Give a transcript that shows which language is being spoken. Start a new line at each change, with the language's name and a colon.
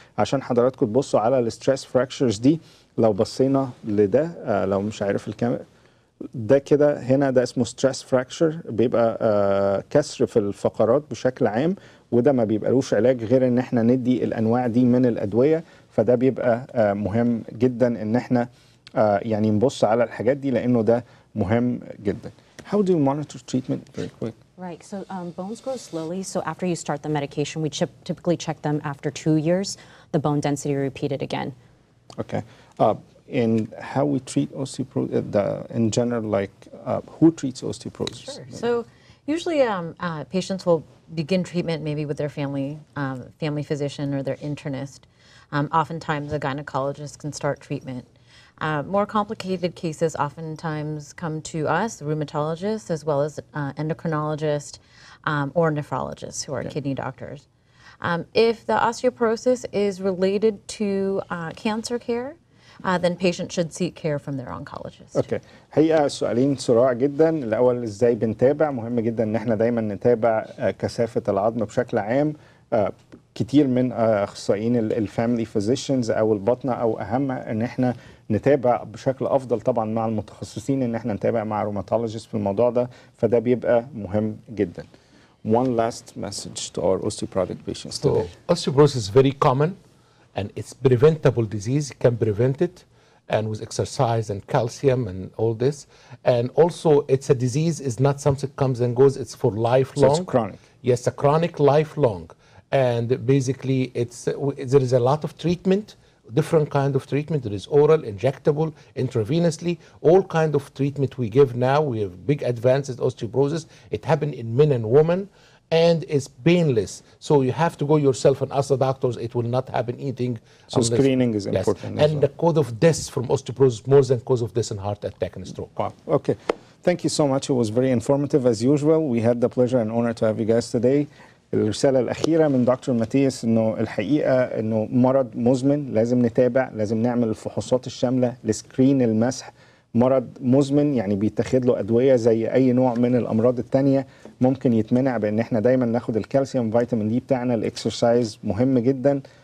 Arabic: عشان حضراتكم تبصوا على الستريس فراكشرز دي, لو بصينا لده, لو مش عارف الكاميرا ده كده هنا, ده اسمه ستريس فراكشر, بيبقى كسر في الفقرات بشكل عام, وده ما بيبقالوش علاج غير ان احنا ندي الانواع دي من الادويه. فده بيبقى مهم جدا ان احنا يعني نبص على الحاجات دي, لانه ده مهم جدا.
English: How do you monitor treatment very quick? Right, so bones grow slowly. So after you start the medication, we typically check them after 2 years, the bone density repeated again. Okay. And how we treat osteoporosis in general, like who treats osteoporosis? Sure. So usually patients will begin treatment maybe with their family physician or their internist. Oftentimes a gynecologist can start treatment. More complicated cases oftentimes come to us, rheumatologists, as well as endocrinologist or nephrologists who are yeah. kidney doctors. If the osteoporosis is related to cancer care, then patients should seek care from their oncologist.
Arabic: Okay. هي سؤالين سراع جدا. الأول إزاي بنتابع, مهم جدا إن إحنا دايما نتابع كثافة العظم بشكل عام. كتير من أخصائيين الفاميلي فيزيشنز أو البطنة أو أهم إن إحنا نتابع بشكل أفضل طبعا مع المتخصصين, إن إحنا نتابع مع روماتولوجيست في الموضوع ده, فده بيبقى مهم جدا.
English: One last message to our osteoporotic patients today. Osteoporosis is very common and it's preventable disease, can prevent it, and with exercise and calcium and all this. And also it's a disease, is not something comes and goes, it's for lifelong. So it's chronic. Yes, a chronic lifelong. And basically, there is a lot of treatment, different kind of treatment. There is oral, injectable, intravenously, all kind of treatment we give now. We have big advances in osteoporosis. It happened in men and women. And it's painless. So you have to go yourself and ask the doctors. It will not happen eating. So screening is important. Yes. And the cause of death from osteoporosis more than cause of death and heart attack and stroke. Wow. Okay. Thank you so much. It was very informative as usual. We had the pleasure and honor to have you guys today.
Arabic: الرسالة الأخيرة من دكتور ماتياس إنه الحقيقة إنه مرض مزمن لازم نتابع لازم نعمل الفحوصات الشاملة لسكرين المسح مرض مزمن يعني بيتاخد له أدوية زي أي نوع من الأمراض التانية ممكن يتمنع بأن إحنا دايما ناخد الكالسيوم فيتامين دي بتاعنا الإكسرسايز مهم جدا